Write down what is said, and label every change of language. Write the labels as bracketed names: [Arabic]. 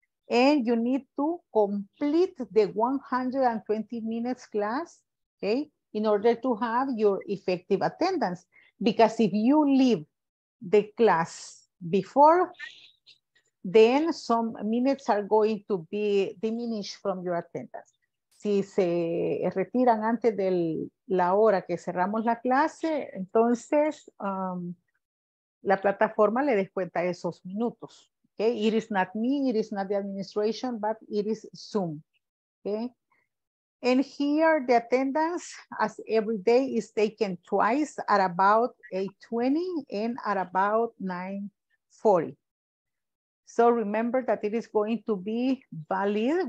[English] And you need to complete the 120 minutes class, okay, in order to have your effective attendance. Because if you leave the class before, then some minutes are going to be diminished from your attendance. [Spanish] Si se retiran antes de la hora que cerramos la clase, entonces la plataforma le descuenta esos minutos. [English] Okay, it is not me, it is not the administration, but it is Zoom, okay? And here the attendance as every day is taken twice at about 8:20 and at about 9:40. So remember that it is going to be valid.